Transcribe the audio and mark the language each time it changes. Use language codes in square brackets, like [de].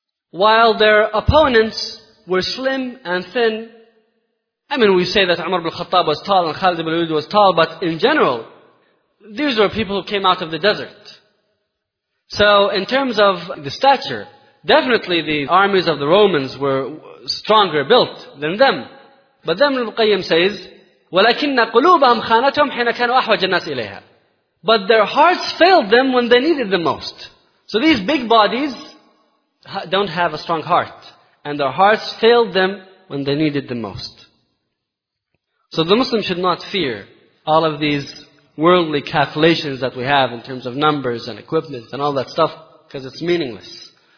[en] While their opponents were slim and thin, I mean, we say that Umar ibn Khattab was tall and Khalid ibn Walid was tall, but in general, these were people who came out of the desert. So, in terms of the stature, definitely the armies of the Romans were stronger built than them. But then Ibn al-Qayyim says, [ar] وَلَكِنَّ قُلُوبَهُمْ خَانَتُهُمْ حِنَ كَانُوا أَحْوَجَ النَّاسِ إِلَيْهَا. [en] But their hearts failed them when they needed the most. So these big bodies don't have a strong heart. And their hearts failed them when they needed the most. So the Muslim should not fear all of these worldly calculations that we have in terms of numbers and equipment and all that stuff, because it's meaningless.